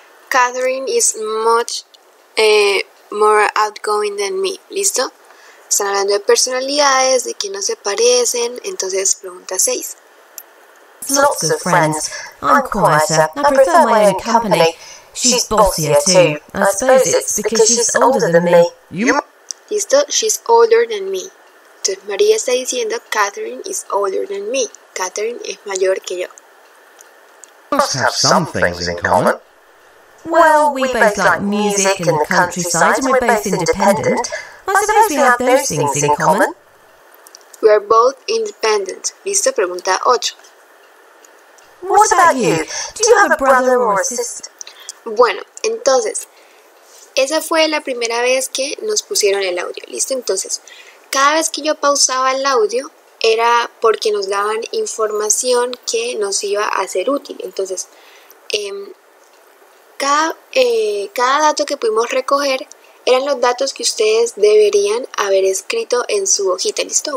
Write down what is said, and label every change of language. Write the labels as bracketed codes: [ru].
[en] Catherine is much more outgoing than me, [es] ¿listo? Están hablando de personalidades, de que no se parecen. Entonces, pregunta 6. [en] Lots of friends. I'm quieter. I prefer my own company. She's bossier too. I suppose it's because she's older than me. [es] Listo, [en] she's older than me. [es] Entonces, María está diciendo, [en] Catherine is older than me. [es] Catherine es mayor que yo. [en] Must have some things in common. Well, we both like music and the countryside, and we're both independent. I suppose we have those things in common. We're both independent. [es] Listo, pregunta 8. [en] What about you? Do you have a brother or a sister? [es] Bueno, entonces, esa fue la primera vez que nos pusieron el audio. Listo, entonces, cada vez que yo pausaba el audio era porque nos daban información que nos iba a ser útil. Entonces, cada dato que pudimos recoger eran los datos que ustedes deberían haber escrito en su hojita, ¿listo?